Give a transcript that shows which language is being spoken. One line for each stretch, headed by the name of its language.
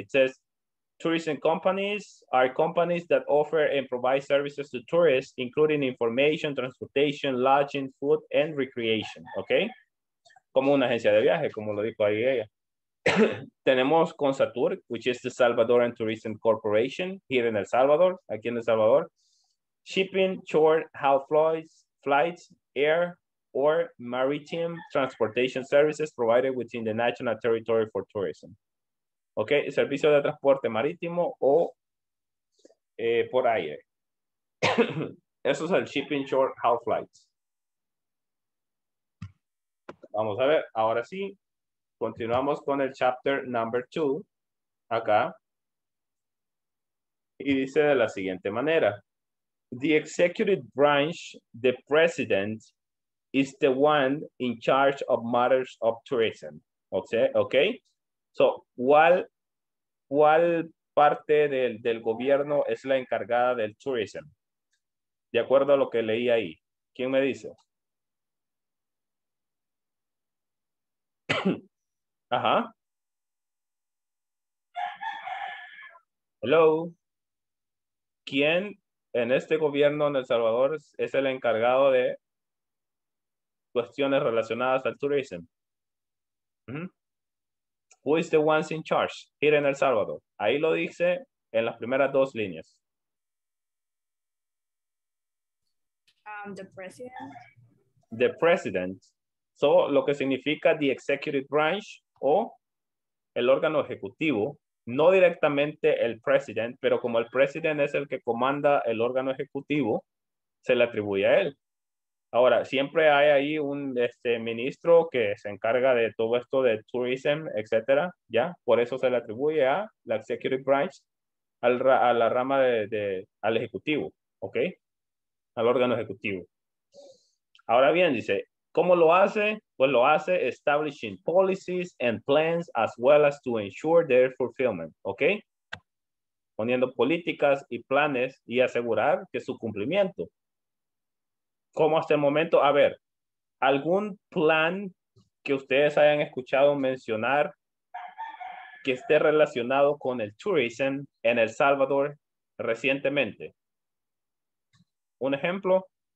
English: It says, tourism companies are companies that offer and provide services to tourists, including information, transportation, lodging, food, and recreation. Okay.
Spanish: Como una agencia de viaje, como lo dijo ahí ella. Tenemos
English: CONSATUR, which is the Salvadoran Tourism Corporation, here in El Salvador,
Spanish: aquí en El Salvador.
English: Shipping, short haul flights, air or maritime transportation services provided within the national territory for tourism.
Spanish: Ok, servicio de transporte marítimo o por aire. Eso es el
English: shipping, short haul flights.
Spanish: Vamos a ver, ahora sí, continuamos con el
English: chapter number 2,
Spanish: acá. Y dice de la siguiente manera.
English: The executive branch, the president, is the one in charge of matters of tourism. Okay. So,
Spanish: ¿cuál parte del gobierno es la encargada del tourism? De acuerdo a lo que leí ahí. ¿Quién me dice? Ajá.
English: Hello.
Spanish: ¿Quién en este gobierno en El Salvador es el encargado de cuestiones relacionadas al tourism?
English: Who is the ones in charge here in El Salvador?
Spanish: Ahí lo dice en las primeras dos líneas.
English: The president. The president.
Spanish: So, lo que significa
English: the executive branch
Spanish: o el órgano ejecutivo, no directamente el president, pero como el president es el que comanda el órgano ejecutivo, se le atribuye a él. Ahora, siempre hay ahí un ministro que se encarga de todo esto de tourism, etcétera, ¿ya? Por eso se le atribuye a la
English: executive branch,
Spanish: a la rama al ejecutivo, ¿ok? Al órgano ejecutivo. Ahora bien, dice... ¿Cómo lo hace? Pues lo hace
English: establishing policies and plans as well as to ensure their fulfillment, ¿ok?
Spanish: Poniendo políticas y planes y asegurar que su cumplimiento. ¿Cómo hasta el momento? A ver, ¿algún plan que ustedes hayan escuchado mencionar que esté relacionado con el tourism en El Salvador recientemente? Un ejemplo.